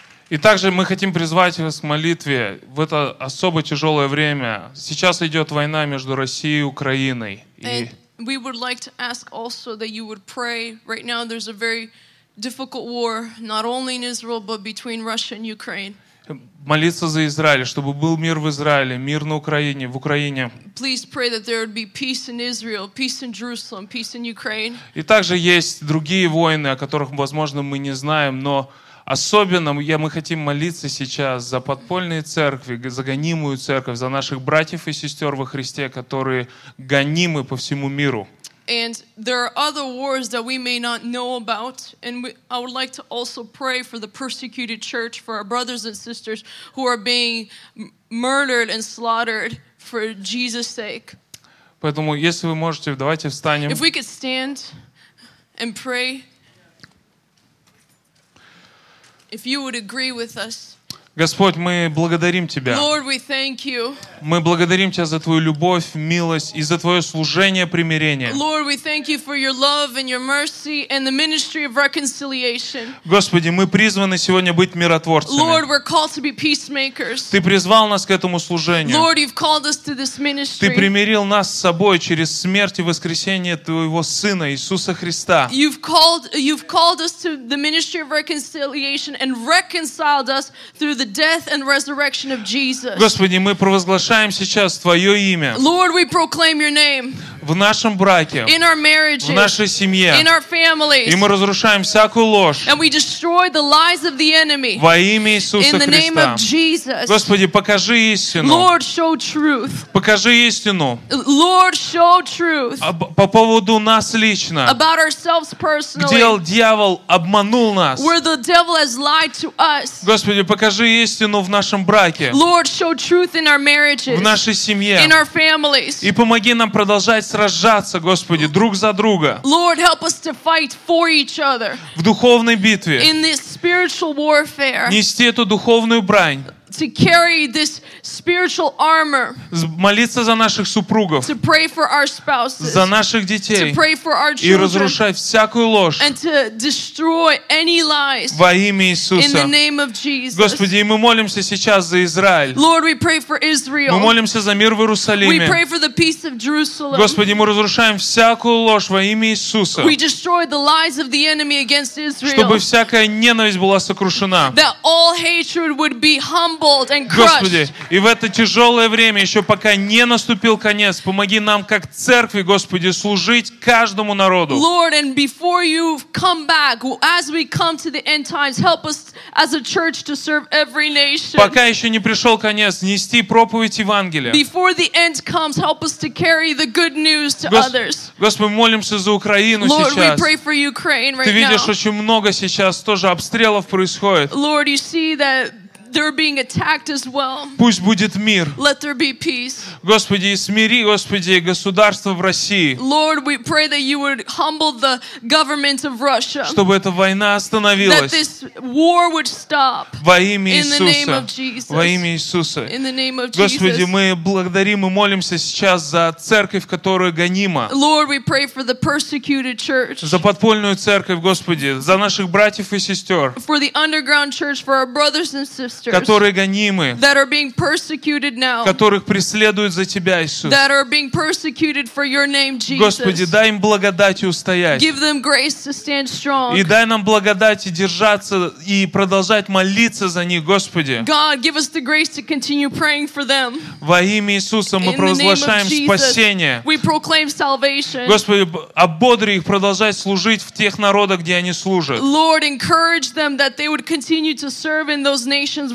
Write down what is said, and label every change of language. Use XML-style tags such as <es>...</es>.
<ru>И также мы хотим призвать вас к молитве в это особо тяжелое время. Сейчас идет война между Россией и Украиной.</ru> <en>And we would like to ask also that you would pray. Right now there's a very difficult war, not only in Israel, but between Russia and Ukraine.</en> <ru>Молиться за Израиль, чтобы был мир в Израиле, мир на Украине, в Украине.</ru> <en>Please pray that there would be peace in Israel, peace in Jerusalem, peace in Ukraine.</en> <ru>И также есть другие войны, о которых, возможно, мы не знаем, но особенно мы хотим молиться сейчас за подпольные церкви, за гонимую церковь, за наших братьев и сестер во Христе, которые гонимы по всему миру.</ru> <en>And there are other wars that we may not know about, and I would like to also pray for the persecuted church, for our brothers and sisters who are being murdered and slaughtered for Jesus' sake.</en> <ru>Поэтому, если вы можете, давайте встанем.</ru> <en>If we could stand and pray. If you would agree with us.</en> <ru>Господь, мы благодарим Тебя.</ru> <en>Lord, we thank you.</en> <ru>Мы благодарим Тебя за Твою любовь, милость и за Твое служение примирения.</ru> <en>Lord, we thank you for your love and your mercy and the ministry of reconciliation.</en> <ru>Господи, мы призваны сегодня быть миротворцами.</ru> <en>Lord, we're called to be peacemakers.</en> <ru>Ты призвал нас к этому служению.</ru> <en>Lord, you've called us to this ministry.</en> <ru>Ты примирил нас с собой через смерть и воскресение Твоего Сына Иисуса Христа.</ru> <en>You've called us to the ministry of reconciliation and reconciled us through the death and resurrection of Jesus.</en> <ru>Господи, мы провозглашаем сейчас Твое имя.</ru> <en>Lord, we proclaim your name.</en> <ru>В нашем браке.</ru> <en>In our marriages.</en> <ru>В нашей семье.</ru> <en>In our families.</en> <ru>И мы разрушаем всякую ложь.</ru> <en>And we destroy the lies of the enemy.</en> <ru>Во имя Иисуса Христа.</ru> <en>In the name of Jesus.</en> <ru>Господи, покажи истину.</ru> <en>Lord, show truth.</en> <ru>Покажи истину.</ru> <en>Lord, show truth.</en> <ru>По поводу нас лично.</ru> <en>About ourselves personally.</en> <ru>Где дьявол обманул нас.</ru> <en>Where the devil has lied to us.</en> <ru>Господи, покажи истину в нашем браке.</ru> <en>Lord, show truth in our marriages.</en> <ru>В нашей семье.</ru> <en>In our families.</en> <ru>И помоги нам продолжать сражаться, Господи, друг за друга.</ru> <en>Lord, help us to fight for each other.</en> <ru>В духовной битве.</ru> <en>In this spiritual warfare.</en> <ru>Нести эту духовную брань.</ru> <en>To carry this spiritual armor.</en> <ru>Молиться за наших супругов.</ru> <en>To pray for our spouses.</en> <ru>За наших детей.</ru> <en>To pray for our children.</en> <ru>И разрушать всякую ложь.</ru> <en>And to destroy any lies.</en> <ru>Во имя Иисуса.</ru> <en>In the name of Jesus.</en> <ru>Господи, мы молимся сейчас за Израиль.</ru> <en>Lord, we pray for Israel.</en> <ru>Мы молимся за мир в Иерусалиме.</ru> <en>We pray for the peace of Jerusalem.</en> <ru>Господи, мы разрушаем всякую ложь во имя Иисуса.</ru> <en>We destroy the lies of the enemy against Israel.</en> <ru>Чтобы всякая ненависть была сокрушена.</ru> <en>That all hatred would be humbled. And crushed.</en> <ru>Господи, И в это тяжелое время, еще пока не наступил конец, помоги нам, как церкви, Господи, служить каждому народу.</ru> <en>Lord, and before you come back, as we come to the end times, help us as a church to serve every nation.</en> <ru>Пока еще не пришел конец, нести проповедь Евангелия.</ru> <en>Before the end comes, help us to carry the good news to others.</en> <ru>Господи, молимся за Украину</ru> <en>Lord,</en> <ru>сейчас.</ru> <en>Lord, we pray for Ukraine right</en> <ru>Ты видишь,</ru> <en>now.</en> <ru>Очень много сейчас тоже обстрелов происходит.</ru> <en>Lord, you see that they're being attacked as well.</en> <ru>Пусть будет мир.</ru> <en>Let there be peace.</en> <ru>Господи, и смири, Господи, государство в России.</ru> <en>Lord, we pray that you would humble the government of Russia.</en> <ru>Чтобы эта война остановилась.</ru> <en>That this war would stop.</en> <ru>Во имя Иисуса.</ru> <en>In the name of Jesus.</en> <ru>Во имя Иисуса.</ru> <en>In the name of Jesus.</en> <ru>Господи, мы благодарим и молимся сейчас за церковь, которая гонима.</ru> <en>Lord, we pray for the persecuted church.</en> <ru>За подпольную церковь, Господи, за наших братьев и сестер.</ru> <en>For the underground church, for our brothers and sisters.</en> <ru>Которые гонимы,</ru> <en>that are being persecuted now,</en> <ru>которых преследуют за Тебя, Иисус.</ru> <en>That are being persecuted for your name, Jesus.</en> <ru>Господи, дай им благодать и устоять.</ru> <en>Give them grace to stand strong.</en> <ru>И дай нам благодать и держаться и продолжать молиться за них, Господи.</ru> <en>God, give us the grace to continue praying for them.</en> <ru>Во имя Иисуса мы провозглашаем спасение.</ru> <en>We proclaim salvation.</en> <ru>Господи, ободри их продолжать служить в тех народах, где они служат.</ru> <en>Lord, encourage them that they would continue to serve in those nations.</en>